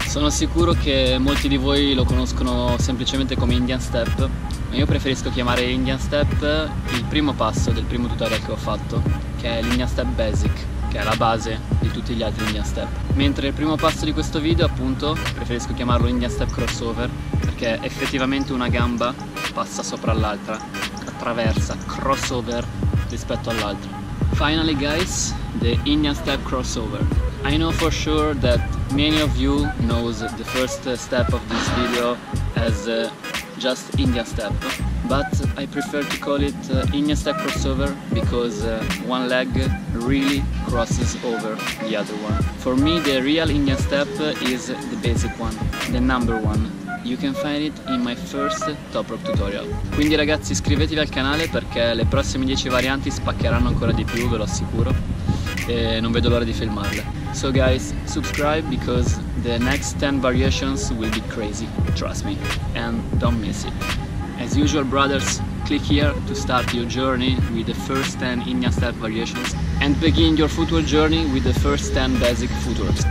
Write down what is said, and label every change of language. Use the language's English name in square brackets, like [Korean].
[Italian] Sono sicuro che molti di voi lo conoscono semplicemente come Indian Step, ma io preferisco chiamare Indian Step il primo passo del primo tutorial che ho fatto, che è l'India Step Basic, che è la base di tutti gli altri Indian Step. Mentre il primo passo di questo video, appunto, preferisco chiamarlo Indian Step Crossover, perché effettivamente una gamba passa sopra l'altra, attraversa, crossover rispetto all'altra. [English] Finally guys, the Indian Step Crossover. I know for sure that many of you knows the first step of this video as just Indian Step, but I prefer to call it Indian Step Crossover because one leg really crosses over the other one. For me, the real Indian Step is the basic one, the number one. You can find it in my first top rope tutorial. [Italian] Quindi ragazzi, iscrivetevi al canale perché le prossime 10 varianti spaccheranno ancora di più, ve lo assicuro, e non vedo l'ora di filmarle. [English] So guys, subscribe because the next 10 variations will be crazy, trust me, and don't miss it. As usual brothers, click here to start your journey with the first 10 Indian Step variations and begin your footwork journey with the first 10 basic footworks.